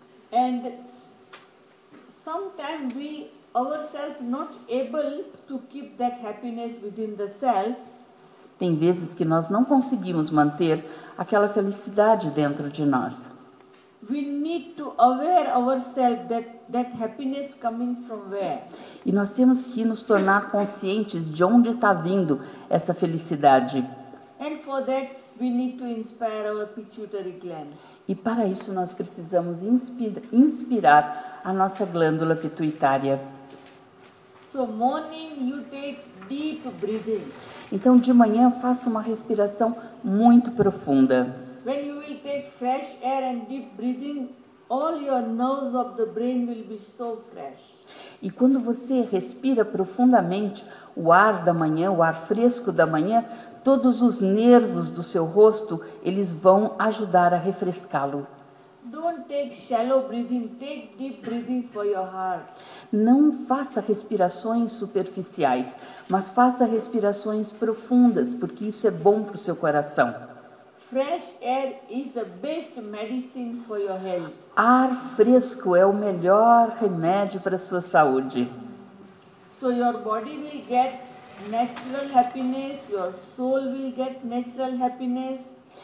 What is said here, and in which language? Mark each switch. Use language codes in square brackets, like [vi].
[en] And sometimes we ourselves not able to keep that happiness within the self. [pt] Tem vezes que nós não conseguimos manter aquela felicidade dentro de nós. [en] We need to aware ourselves that happiness coming from where. [pt] E nós temos que nos tornar conscientes de onde está vindo essa felicidade. [en] And for that we need to inspire our pituitary gland. [pt] E para isso nós precisamos inspirar a nossa glândula pituitária. [en] So morning you take deep breathing. [pt] Então de manhã faça uma respiração muito profunda. [en] When you will take fresh air and deep breathing, all your nerves of the brain will be so fresh. [pt] E quando você respira profundamente o ar da manhã, o ar fresco da manhã, todos os nervos do seu rosto, eles vão ajudar a refrescá-lo. [en] Don't take shallow breathing, take deep breathing for your heart. [pt] Não faça respirações superficiais, mas faça respirações profundas, porque isso é bom para o seu coração. [en] Fresh air is the best medicine for your health. [pt] Ar fresco é o melhor remédio para a sua saúde. [en] So your body will get natural happiness, your soul will get natural happiness.